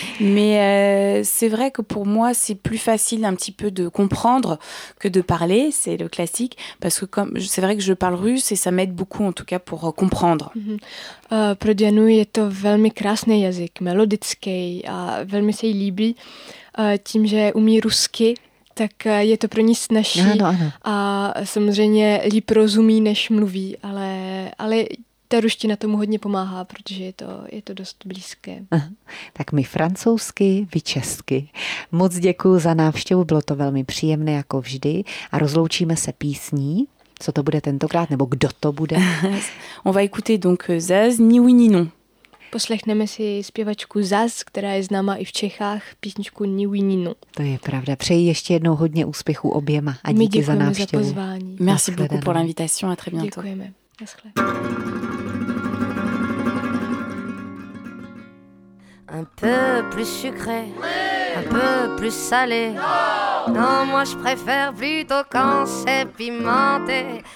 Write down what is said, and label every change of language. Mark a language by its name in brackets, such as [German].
[French] Mais c'est vrai que pour moi c'est plus facile un petit peu de comprendre que de parler, c'est le classique. Parce que comme c'est vrai que je parle russe et ça m'aide beaucoup en tout cas pour comprendre. [Czech] Pro Dianu je to velmi krásný jazyk, melodický a velmi se jí líbí tím, že umí rusky. Tak je to pro ní snažší a samozřejmě líp rozumí, než mluví, ale ta ruština tomu hodně pomáhá, protože je to dost blízké. Tak my francouzsky, vy česky. Moc děkuju za návštěvu, bylo to velmi příjemné jako vždy a rozloučíme se písní. Co to bude tentokrát, nebo kdo to bude? On va écouter donc Zaz, ni oui ni non. Poslechneme si zpěvačku Zaz, která je známa i v Čechách, písničku Ni oui ni non. To je pravda. Přeji ještě jednou hodně úspěchů oběma a díky za návštěvu. Děkujeme za pozvání. [French] Merci beaucoup pour l'invitation, à très bientôt. [Czech] Děkujeme. Naschle. [French] Un peu plus sucré, un peu plus salé. Non, moi je préfère plutôt quand c'est pimenté.